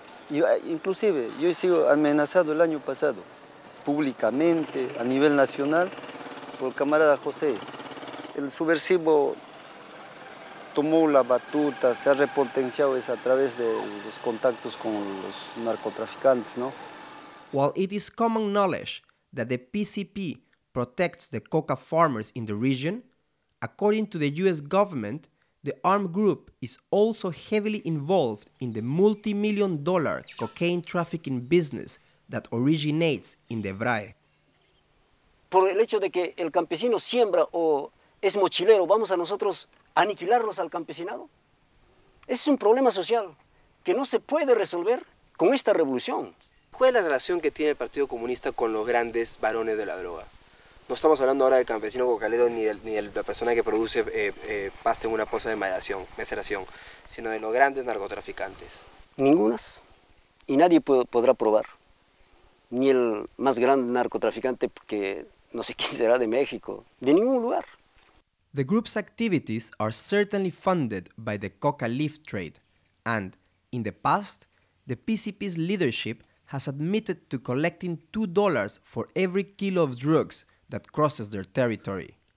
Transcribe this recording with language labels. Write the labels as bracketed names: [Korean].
[Spanish] Y, inclusive, yo he sido amenazado el año pasado, públicamente, a nivel nacional, por el camarada José. El subversivo tomó la batuta, se ha repotenciado eso a través de los contactos con los narcotraficantes, ¿no? [English] While it is common knowledge that the PCP protects the coca farmers in the region, according to the US government, the armed group is also heavily involved in the multi-million dollar cocaine trafficking business that originates in the Vrai. [Spanish] Por el hecho de que el campesino siembra o es mochilero, ¿vamos a nosotros aniquilarlos al campesinado? Ese es un problema social que no se puede resolver con esta revolución. ¿Cuál es la relación que tiene el Partido Comunista con los grandes varones de la droga? No estamos hablando ahora del campesino cocalero ni de la persona que produce pasta en una poza de maceración, sino de los grandes narcotraficantes. Ninguna. Y nadie podrá probar. Ni el más grande narcotraficante, que no sé quién será, de México, de ningún lugar. [English] The group's activities are certainly funded by the coca leaf trade. And in the past, the PCP's leadership has admitted to collecting $2 for every kilo of drugs that crosses their territory.